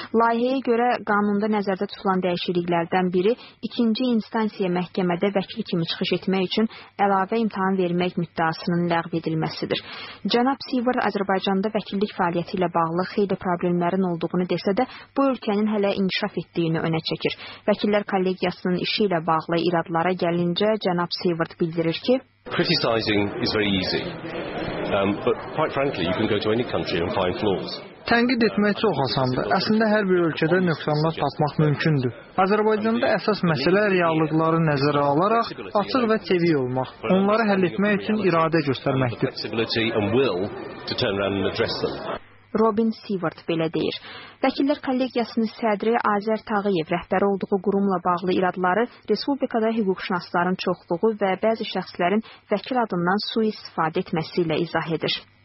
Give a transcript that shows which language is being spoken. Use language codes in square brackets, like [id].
[az] Layihəyə görə qanunda nəzərdə tutulan dəyişikliklərdən biri ikinci instansiya məhkəmədə vəkil kimi çıxış etmək üçün əlavə imtahan vermək müddəasının ləğv edilməsidir. Cənab Sivir Azərbaycanda vəkillik fəaliyyəti ilə bağlı xeyli problemlərin olduğunu desə də, bu ölkənin hələ inkişaf etdiyini önə çəkir. Vəkillər kollegiyasının işi ilə bağlı iradlara gəlincə cənab Sivir bildirir ki, [en] criticizing is very easy. But quite frankly, you can go to any country and find flaws. [az] Tənqid etmək çox asandır. Əslində, hər bir ölkədə nöqsanlar tapmaq mümkündür. Azərbaycanda əsas məsələ reallıqları nəzərə alaraq açıq və təbii olmaq, onları həll etmək üçün iradə göstərməkdir. Robin Sievert belə deyir. Vəkillər kollegiyasının sədri Azər Tağıyev rəhbəri olduğu qurumla bağlı iradları Respublikada hüquqşünasların çoxluğu və bəzi şəxslərin vəkil adından sui-istifadə etməsi ilə izah edir.